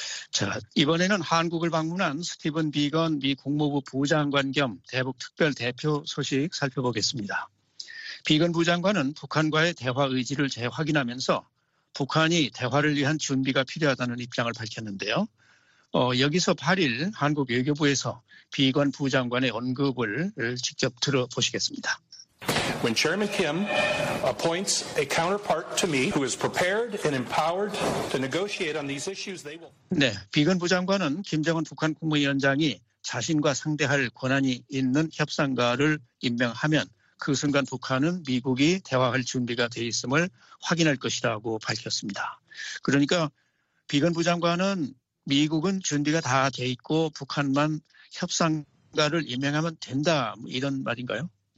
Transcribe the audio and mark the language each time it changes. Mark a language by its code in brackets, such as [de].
[ko] 자, 이번에는 한국을 방문한 스티븐 비건 미 국무부 부장관 겸 대북 특별 대표 소식 살펴보겠습니다. 비건 부장관은 북한과의 대화 의지를 재확인하면서 북한이 대화를 위한 준비가 필요하다는 입장을 밝혔는데요. 여기서 8일 한국 외교부에서 비건 부장관의 언급을 직접 들어보시겠습니다. [en] When Chairman Kim appoints a counterpart to me who is prepared and empowered to negotiate on these issues, they will. [ko] 네, 비건 부장관은 김정은 북한 국무위원장이 자신과 상대할 권한이 있는 협상가를 임명하면 그 순간 북한은 미국이 대화할 준비가 돼 있음을 확인할 것이라고 밝혔습니다. 그러니까 비건 부장관은 미국은 준비가 다 돼 있고 북한만 협상가를 임명하면 된다 이런 말인가요?